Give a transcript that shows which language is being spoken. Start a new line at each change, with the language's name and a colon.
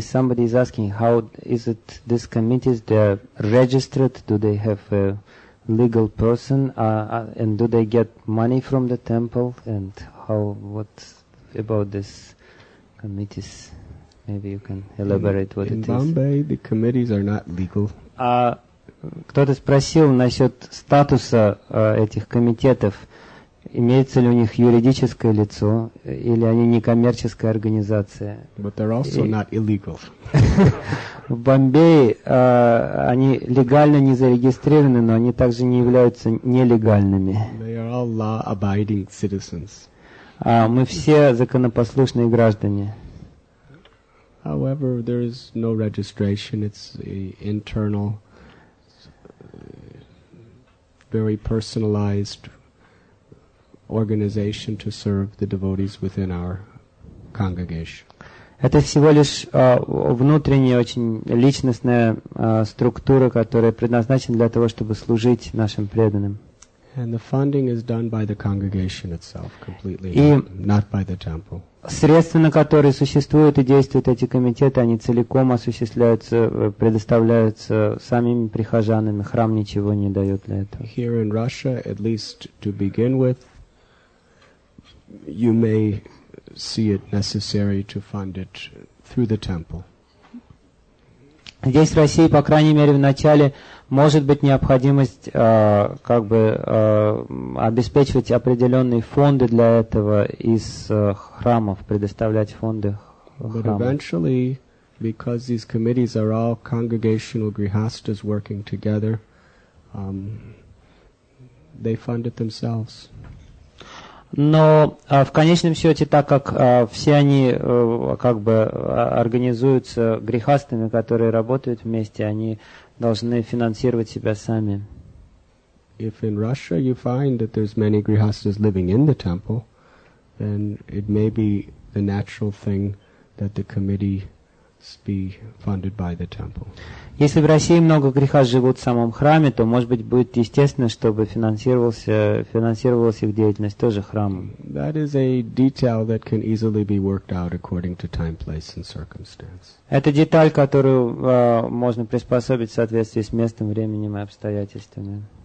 English: Somebody is asking, how is it this committee, they're registered, do they have a legal person, and do they get money from the temple, and how, what about this committees? Maybe you can elaborate what in it Bombay, is. In Bombay, the committees are not legal.
Russian: Кто-то спросил насчет статуса этих комитетов. Имеется ли у них юридическое лицо, или они некоммерческая организация?
English: But they're also not illegal.
Russian: В Бомбее они легально не зарегистрированы, но они также не являются нелегальными.
English: They are all law-abiding citizens.
Russian: Мы все законопослушные граждане.
English: However, there is no registration. It's internal, very personalized organization to serve the devotees within our congregation.
Russian: Это всего лишь внутренняя, очень личностная структура, которая предназначена для того, чтобы служить нашим преданным.
English: And the funding is done by the congregation itself, completely, not by the temple.
Russian: Средства, на которые существуют и действуют эти комитеты, они целиком осуществляются, предоставляются самими прихожанами. Храм ничего не дает для этого.
English: Here in Russia, at least to begin with, you may see it necessary to fund it through the temple.
Russian: Здесь, в России, по крайней мере, в начале может быть необходимость обеспечивать определенные фонды для этого из храмов, предоставлять фонды храмам.
English: But eventually, because these committees are all congregational grihasthas working together, they fund it themselves.
Russian: Но в конечном счете, так как все они организуются грехастами, которые работают вместе, они должны финансировать себя сами.
English: If in Russia you find that there's many grihasthas living in the temple, then it may be the natural thing that the committee be funded by the temple.
Russian: Если в России много грехастов живут в самом храме, то, может быть, будет естественно, чтобы финансировалась их деятельность тоже храмом.
English: That is a detail that can easily be worked out according to time, place and circumstance.
Russian: Это деталь, которую можно приспособить в соответствии с местом, временем и обстоятельствами.